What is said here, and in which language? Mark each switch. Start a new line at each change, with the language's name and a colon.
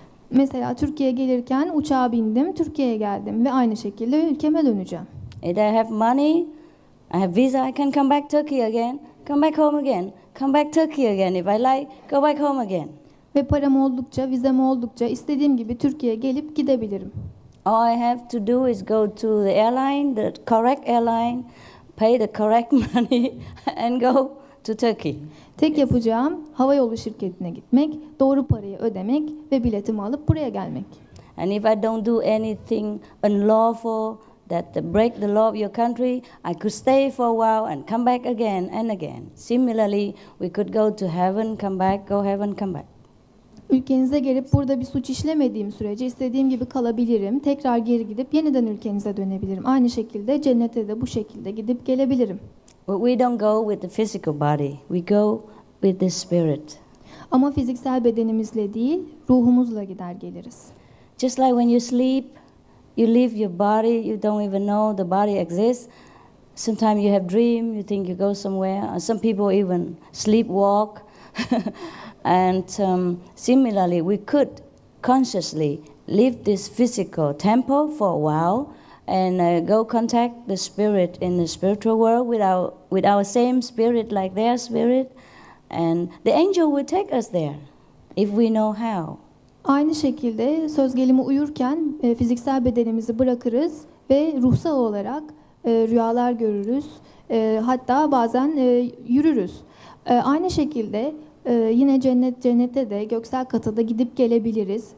Turkish: Mesela Türkiye'ye gelirken uçağa bindim, Türkiye'ye geldim ve aynı şekilde ülkeme döneceğim.
English: If I have money, I have visa, I can come back Turkey again, come back home again. Come back Turkey again if I like. Go back home again.
Turkish: Ve param oldukça, vizem oldukça istediğim gibi Türkiye'ye gelip gidebilirim.
English: All I have to do is go to the airline, the correct airline, pay the correct money and go to Turkey.
Turkish: Tek yapacağım havayolu şirketine gitmek, doğru parayı ödemek ve biletimi alıp buraya gelmek.
English: And if I don't do anything unlawful that break the law of your country, I could stay for a while and come back again and again. Similarly, we could go to heaven, come back, go heaven, come back.
Turkish: Ülkenize gelip burada bir suç işlemediğim sürece istediğim gibi kalabilirim. Tekrar geri gidip yeniden ülkenize dönebilirim. Aynı şekilde cennete de bu şekilde gidip gelebilirim.
English: But we don't go with the physical body. We go with the spirit.
Turkish: Ama fiziksel bedenimizle değil, ruhumuzla gider geliriz.
English: Just like when you sleep, you leave your body, you don't even know the body exists. Sometimes you have dream, you think you go somewhere. Some people even sleepwalk. And similarly, we could consciously leave this physical temple for a while and go contact the spirit in the spiritual world with our same spirit like their spirit. And the angel will take us there if we know how.
Turkish: Aynı şekilde söz gelimi uyurken fiziksel bedenimizi bırakırız ve ruhsal olarak rüyalar görürüz. Hatta bazen yürürüz. Aynı şekilde yine cennette de göksel kata da gidip gelebiliriz.